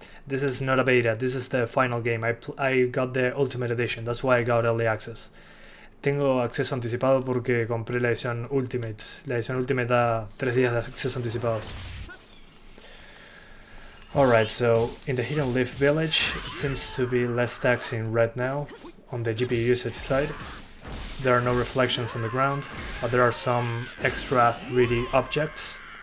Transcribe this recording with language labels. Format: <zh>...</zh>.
<en>This is not a beta, this is the final game. I got the Ultimate Edition, that's why I got early access.</en> <es>Tengo acceso anticipado porque compré la edición Ultimate. La edición Ultimate da 3 días de acceso anticipado.</es> <en>Alright, so in the Hidden Leaf Village, it seems to be less taxing right now on the GPU usage side. There are no reflections on the ground, but there are some extra 3D objects.</en>